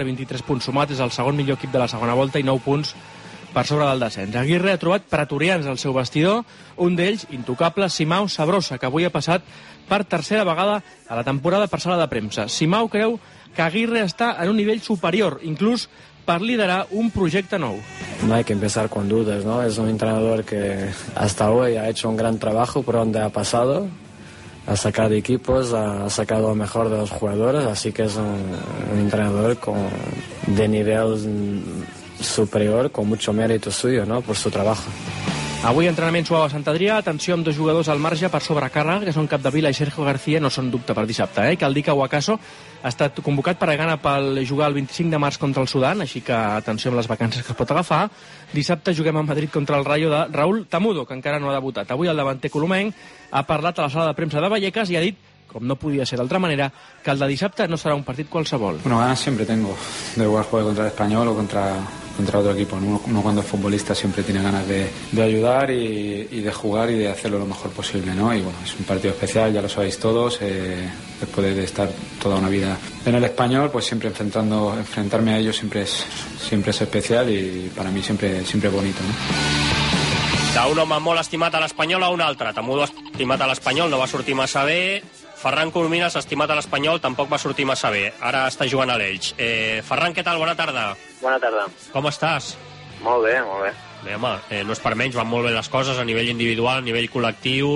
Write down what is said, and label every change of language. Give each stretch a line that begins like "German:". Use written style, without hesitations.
Catalan: 23 punts sumats, és el segon millor equip de la segona volta i 9 punts per sobre del descens. Aguirre ha trobat pretorians al seu vestidor, un d'ells, intocable, Simão Sabrosa, que avui ha passat per tercera vegada a la temporada per sala de premsa. Simão creu que Aguirre està en un nivell superior, inclús per liderar un projecte nou.
Spanish: No hay que empezar con dudas, ¿no? Es un entrenador que hasta hoy ha hecho un gran trabajo por donde ha pasado. Ha sacado equipos, ha sacado lo mejor de los jugadores, así que es un entrenador de nivel superior, con mucho mérito suyo, ¿no? Por su trabajo.
Catalan: Avui entrenament suau a Sant Adrià, atenció amb dos jugadors al marge per sobrecàrrega, que són Capdevila i Sergio García, no són dubte per dissabte, eh? Cal dir que Wakaso ha estat convocat per a Ghana per jugar el 25 de març contra el Sudan, així que atenció amb les vacances que es pot agafar. Dissabte juguem a Madrid contra el Rayo de Raúl Tamudo, que encara no ha debutat. Avui el davanter colomenc ha parlat a la sala de premsa de Vallecas i ha dit, com no podia ser d'altra manera, que el de dissabte no serà un partit qualsevol.
Spanish: Bueno, ganas siempre tengo de jugar juego contra el Español o contra otro equipo. Uno cuando es futbolista siempre tiene ganas de ayudar y de jugar y de hacerlo lo mejor posible, ¿no? Y bueno, es un partido especial, ya lo sabéis todos, después de estar toda una vida en el Español, pues siempre enfrentarme a ellos siempre es especial y para mí siempre es bonito, ¿no?
Catalan: D'un home molt estimat a l'Espanyol a un altre. Tamudo estimat a l'Espanyol, no va sortir massa bé. Ferran Colomines, estimat a l'Espanyol, tampoc va sortir massa bé. Ara està jugant a l'Elx. Ferran, què tal? Bona tarda. Bona tarda. Com estàs? Molt bé, molt bé. Bé, home, no és per menys, van molt bé les coses a nivell individual, a nivell col·lectiu.